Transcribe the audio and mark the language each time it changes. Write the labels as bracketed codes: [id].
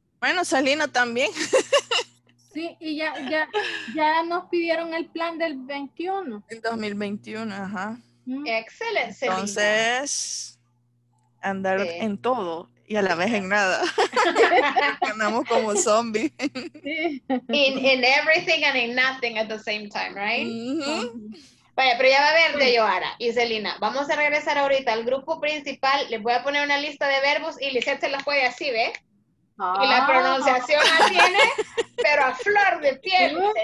[es] Bueno, Salina también. Sí, y ya nos pidieron el plan del 21. El 2021, ajá. Excelente, Salina. Entonces, andar en todo y a la vez en nada. Andamos como zombies. [en] In everything and in nothing at the same time, right? [es] Vaya, pero ya va a ver de Johara y Celina. Vamos a regresar ahorita al grupo principal. Les voy a poner una lista de verbos y Lizeth se las puede así, ¿ve? Ah. Y la pronunciación la tiene, pero a flor de piel.